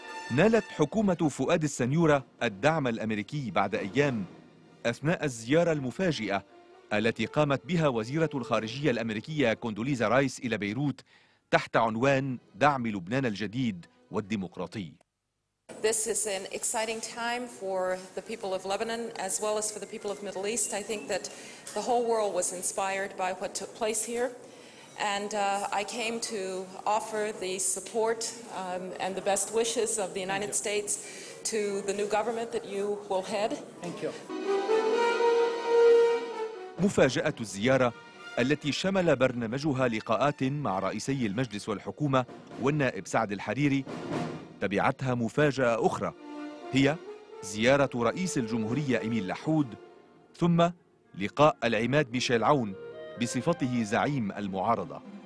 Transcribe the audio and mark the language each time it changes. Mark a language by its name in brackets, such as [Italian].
[Arabic] نالت حكومة فؤاد السنيورة الدعم الأمريكي بعد أيام أثناء الزيارة المفاجئة التي قامت بها وزيرة الخارجية الأمريكية كوندوليزا رايس إلى بيروت تحت عنوان دعم لبنان الجديد والديمقراطي. [English] This is an exciting time for the people of Lebanon as well as for the people of Middle East. I think that the whole world was inspired by what took place here. And I came to offer the support and the best wishes of the United States to the new government that you will head. Thank you. [Arabic] مفاجأة الزيارة التي شمل برنامجها لقاءات مع رئيسي المجلس والحكومة والنائب سعد الحريري، تبعتها مفاجأة أخرى هي زيارة رئيس الجمهورية إيميل لحود، ثم لقاء العماد ميشيل عون بصفته زعيم المعارضة.